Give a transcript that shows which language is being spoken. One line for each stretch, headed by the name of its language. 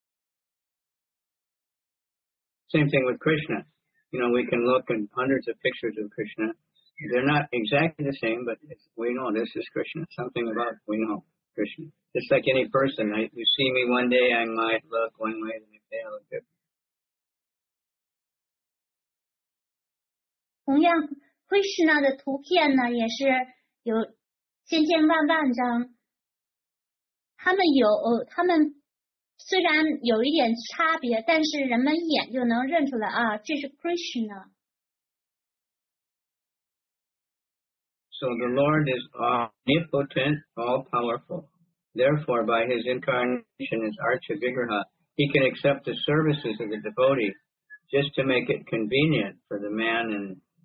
Chinese: 虽然千差万别，但是我们一眼就能认出来啊，这就是佛。
English: Same thing with Krishna. You know, we can look in hundreds of pictures of Krishna. They're not exactly the same, but we know this is Krishna. Something about we know Krishna. Just like any person, right? You see me one day, I might look one way, the next day I look different.
Chinese: 同样。 Krishna的图片呢，也是有千千万万张。他们虽然有一点差别，但是人们一眼就能认出来啊，这是 Krishna.
English: So the Lord is omnipotent, all powerful. Therefore, by His incarnation as Archa Vigraha, He can accept the services of the devotee, just to make it convenient for the man and